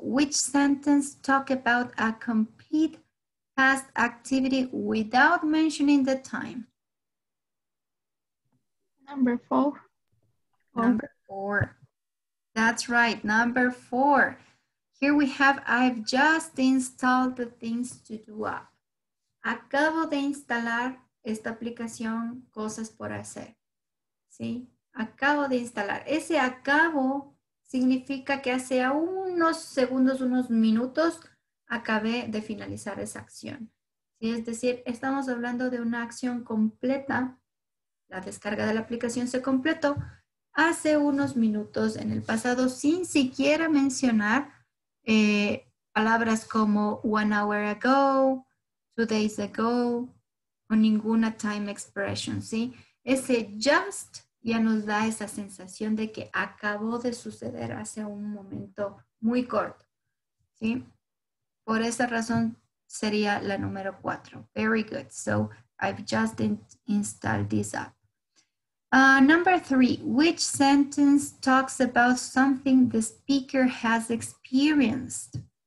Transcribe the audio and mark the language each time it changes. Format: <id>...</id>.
<en>Which sentence talk about a complete past activity without mentioning the time? Number four. That's right, number four. Here we have, I've just installed the Things2Do app.</en> <es>Acabo de instalar esta aplicación, cosas por hacer. ¿Sí? Acabo de instalar. Ese acabo significa que hace unos segundos, unos minutos, acabé de finalizar esa acción. ¿Sí? Es decir, estamos hablando de una acción completa. La descarga de la aplicación se completó hace unos minutos en el pasado, sin siquiera mencionar palabras como</es> <en>one hour ago, two days ago,</en> <es>o ninguna</es> <en>time expression,</en> <es>¿sí? Ese just ya nos da esa sensación de que acabó de suceder hace un momento muy corto, ¿sí? Por esa razón sería la número 4.</es> <en>Very good. So I've just installed this app. Number three, which sentence talks about something the speaker has experienced?</en>